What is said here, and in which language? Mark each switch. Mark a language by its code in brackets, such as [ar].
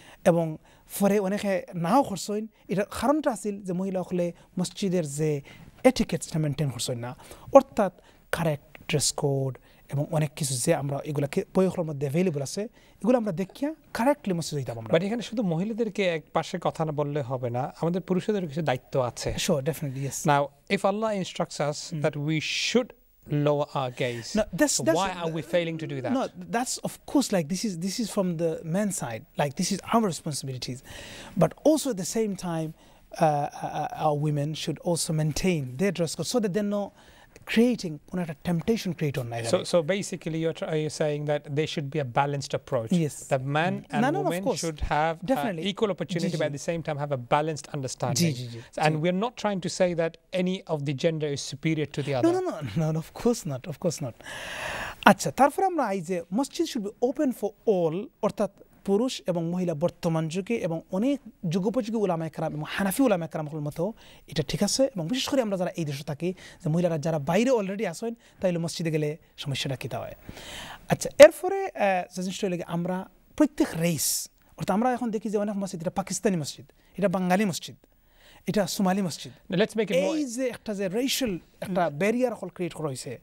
[bn] এবং ফরে অনেকে নাও করছেন এটার কারণটা আছিল যে মহিলাসকলে মসজিদের যে এটিকেটসটা মেনটেন করছেন না অর্থাৎ কারেক্ট ড্রেস কোড এবং অনেক কিছু যে আমরা এগুলো বইয়ের মধ্যে অ্যাভেলেবল আছে এগুলো আমরা দেখিয়া কারেক্টলি মসজিদে যাইতাম আমরা বাট এখানে শুধু মহিলাদেরকে এক পাশে কথা না বললে হবে না আমাদের পুরুষদের কিছু দায়িত্ব আছে [en] Sure definitely yes now if Allah instructs us that we should lower our gaze. No, that's why are we failing to do that? No, that's of course this is from the men's side. This is our responsibilities. But also at the same time, our women should also maintain their dress code so that they're not creating a temptation create on either. So basically you're saying that there should be a balanced approach. Yes. That man and woman should have definitely equal opportunity but at the same time have a balanced understanding. And we're not trying to say that any of the gender is superior to the other. No, of course not. [bn] Acha tarpor amra ai je masjid should be open for all orthat পুরুষ এবং মহিলা বর্তমান যুগে এবং অনেক যুগোপযোগী উলামায়ে কেরাম এবং হানাফি উলামায়ে কেরামের মতো এটা ঠিক আছে এবং বিশেষ করে আমরা যারা এই দেশে থাকি যে মহিলারা যারা বাইরে অলরেডি আসেন তাইলে মসজিদে গেলে সমস্যাটা কী তা হয় আচ্ছা এরপরে যথেষ্টলে আমরা প্রত্যেক রেস অর্থাৎ আমরা এখন দেখি যে অনেক মসজিদ এটা পাকিস্তানি মসজিদ এটা বাঙালি মসজিদ এটা সোমালি মসজিদ এই যে একটা যে রেশিয়াল একটা ব্যারিয়ার হল ক্রিয়েট করা হয়েছে